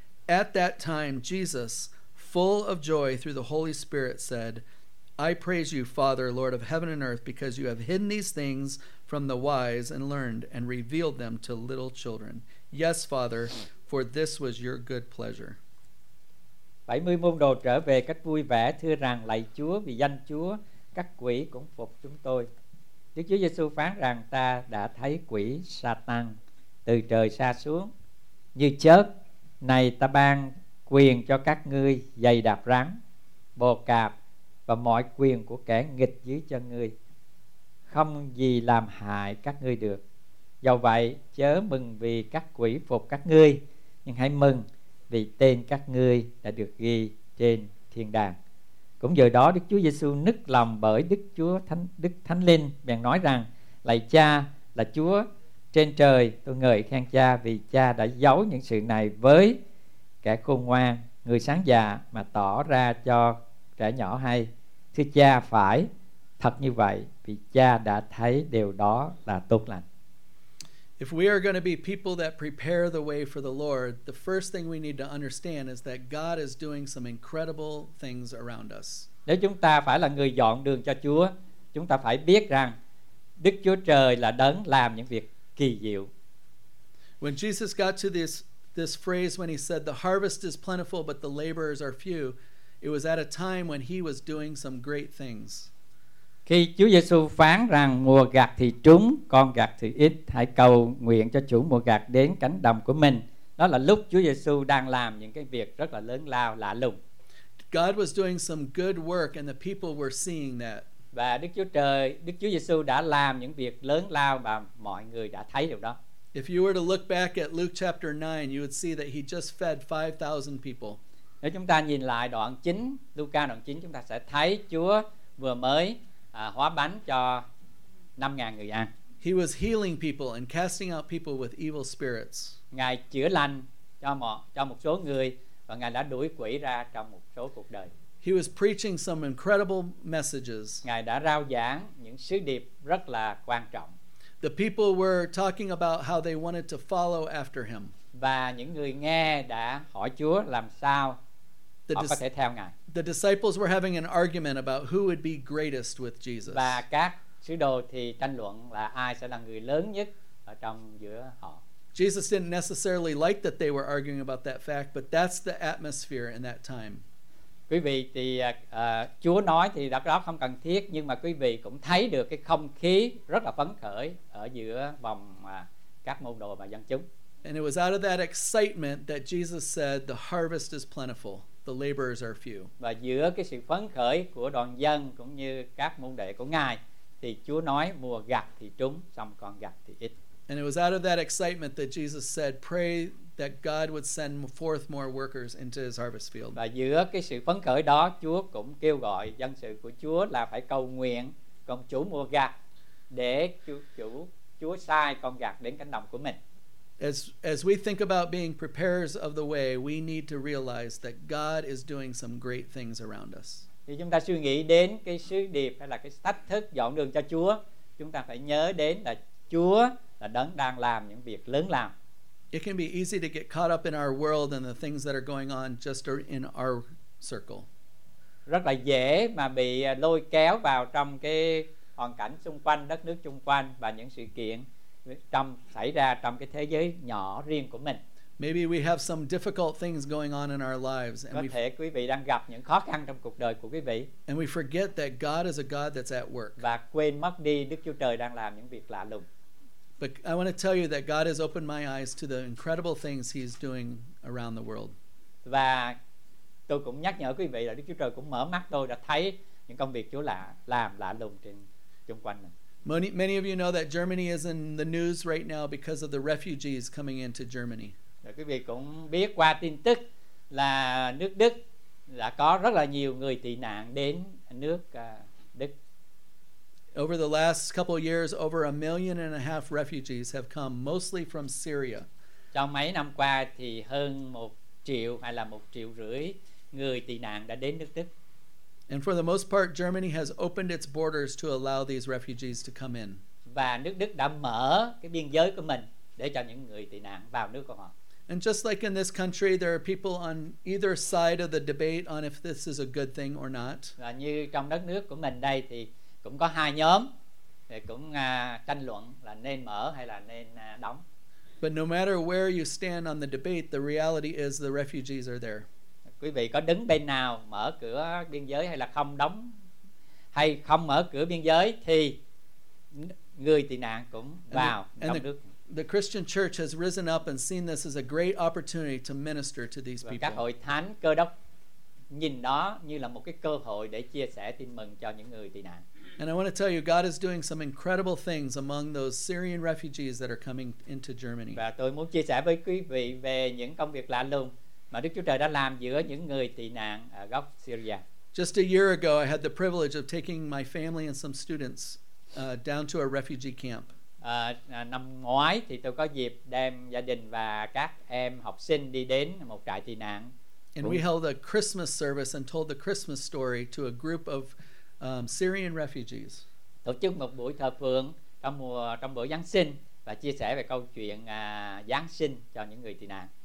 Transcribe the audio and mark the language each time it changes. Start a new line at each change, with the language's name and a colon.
English: At that time, Jesus, full of joy through the Holy Spirit, said, "I praise you, Father, Lord of heaven and earth, because you have hidden these things from the wise and learned and revealed them to little children. Yes, Father, for this was your good pleasure."
Vietnamese: 70 môn đồ trở về cách vui vẻ thưa rằng, lạy Chúa, vì danh Chúa các quỷ cũng phục chúng tôi. Đức Chúa Giêsu phán rằng, ta đã thấy quỷ Satan từ trời xa xuống như chớp. Này ta ban quyền cho các ngươi giày đạp rắn, bồ cạp và mọi quyền của kẻ nghịch dưới chân ngươi, không gì làm hại các ngươi được. Do vậy chớ mừng vì các quỷ phục các ngươi, nhưng hãy mừng vì tên các ngươi đã được ghi trên thiên đàng. Cũng giờ đó Đức Chúa Giêsu nức lòng bởi Đức Chúa Thánh, Đức Thánh Linh bèn nói rằng, lạy Cha, là Chúa trên trời, tôi ngợi khen Cha vì Cha đã giấu những sự này với kẻ khôn ngoan, người sáng dạ mà tỏ ra cho trẻ nhỏ hay. Thưa Cha, phải thật như vậy, vì Cha đã thấy điều đó là tốt lành.
English: If we are going to be people that prepare the way for the Lord, the first thing we need to understand is that God is doing some incredible things around us.
Vietnamese: Nếu chúng ta phải là người dọn đường cho Chúa, chúng ta phải biết rằng Đức Chúa Trời là đấng làm những việc kỳ diệu.
English: When Jesus got to this phrase when he said the harvest is plentiful but the laborers are few, it was at a time when he was doing some great things.
Vietnamese: Khi Chúa Giêsu phán rằng mùa gặt thì trúng, con gặt thì ít, hãy cầu nguyện cho chủ mùa gặt đến cánh đồng của mình. Đó là lúc Chúa Giêsu đang làm những cái việc rất là lớn lao lạ lùng.
English: God was doing some good work and the people were seeing that.
Vietnamese: Và Đức Chúa Giêsu đã làm những việc lớn lao và mọi người đã thấy điều đó.
English: If you were to look back at Luke chapter 9, you would see that he just fed 5,000 people.
Vietnamese: Nếu chúng ta nhìn lại đoạn 9, Luca đoạn 9, chúng ta sẽ thấy Chúa vừa mới hóa bánh cho 5,000 người ăn.
English: He was healing people and casting out people with evil spirits.
Vietnamese: Ngài chữa lành cho một số người và Ngài đã đuổi quỷ ra trong một số cuộc đời.
English: He was preaching some incredible messages.
Vietnamese: Ngài đã rao giảng những sứ điệp rất là quan trọng.
English: The people were talking about how they wanted to follow after him.
Vietnamese: Và những người nghe đã hỏi Chúa làm sao họ có thể theo Ngài.
English: The disciples were having an argument about who would be greatest with Jesus.
Vietnamese: Và các sứ đồ thì tranh luận là ai sẽ là người lớn nhất ở trong giữa họ.
English: Jesus didn't necessarily like that they were arguing about that fact, but that's the atmosphere in that time.
Vietnamese: Quý vị thì Chúa nói thì đó không cần thiết, nhưng mà quý vị cũng thấy được cái không khí rất là phấn khởi ở giữa vòng các môn đồ và dân chúng.
English: And it was out of that excitement that Jesus said, "The harvest is plentiful, the laborers are few."
Vietnamese: Và giữa cái sự phấn khởi của đoàn dân cũng như các môn đệ của Ngài, thì Chúa nói mùa gặt thì trúng, xong còn gặt thì ít.
English: And it was out of that excitement that Jesus said, "Pray that God would send forth more workers into His harvest field."
Vietnamese: Và giữa cái sự phấn khởi đó, Chúa cũng kêu gọi dân sự của Chúa là phải cầu nguyện công chủ mùa gặt để Chúa sai con gặt đến cánh đồng của mình.
English: As we think about being preparers of the way, we need to realize that God is doing some great things around us.
Vietnamese: Thì chúng ta suy nghĩ đến cái sứ điệp hay là cái thách thức dọn đường cho Chúa, chúng ta phải nhớ đến là Chúa là đấng đang làm những việc lớn lao.
English: It can be easy to get caught up in our world and the things that are going on just in our circle.
Vietnamese: Rất là dễ mà bị lôi kéo vào trong cái hoàn cảnh xung quanh, đất nước xung quanh và những sự kiện trong xảy ra trong cái thế giới nhỏ riêng của mình.
English: Maybe we have some difficult things going on in our lives,
Vietnamese: and có thể quý vị đang gặp những khó khăn trong cuộc đời của quý vị.
English: And we forget that God is a God that's at work.
Vietnamese: Và quên mất đi Đức Chúa Trời đang làm những việc lạ lùng.
English: But I want to tell you that God has opened my eyes to the incredible things He's doing around the world.
Vietnamese: Và tôi cũng nhắc nhở quý vị là Đức Chúa Trời cũng mở mắt tôi, đã thấy những công việc Chúa làm lạ lùng trên xung quanh mình.
English: Many of you know that Germany is in the news right now because of the refugees coming into Germany.
Vietnamese: Quý vị cũng biết qua tin tức là nước Đức đã có rất là nhiều người tị nạn đến nước Đức.
English: Over the last couple of years, over 1.5 million refugees have come, mostly from Syria.
Vietnamese: Trong mấy năm qua thì hơn 1 triệu hay là 1.5 triệu người tị nạn đã đến nước Đức.
English: And for the most part, Germany has opened its borders to allow these refugees to come in.
Vietnamese: Và nước Đức đã mở cái biên giới của mình để cho những người tị nạn vào nước của họ.
English: And just like in this country, there are people on either side of the debate on if this is a good thing or not.
Vietnamese: Và như trong đất nước của mình đây thì cũng có hai nhóm thì cũng tranh luận là nên mở hay là nên đóng.
English: But no matter where you stand on the debate, the reality is the refugees are there.
Vietnamese: Quý vị có đứng bên nào mở cửa biên giới hay là không đóng hay không mở cửa biên giới thì người tị nạn cũng vào trong nước.
English: The Christian Church has risen up and seen this as a great opportunity to minister to these people.
Vietnamese: Các hội thánh Cơ Đốc nhìn đó như là một cái cơ hội để chia sẻ tin mừng cho những người tị nạn.
English: And I want to tell you, God is doing some incredible things among those Syrian refugees that are coming into Germany.
Vietnamese: Và tôi muốn chia sẻ với quý vị về những công việc lạ lùng mà Đức Chúa Trời đã làm giữa những người tị nạn ở gốc Syria.
English: Just a year ago, I had the privilege of taking my family and some students down to a refugee camp.
Vietnamese: Năm ngoái thì tôi có dịp đem gia đình và các em học sinh đi đến một trại tị nạn.
English: And we held a Christmas service and told the Christmas story to a group of Syrian refugees.
Vietnamese: Tổ chức một buổi thờ phượng trong bữa Giáng sinh và chia sẻ về câu chuyện Giáng sinh cho những người tị nạn.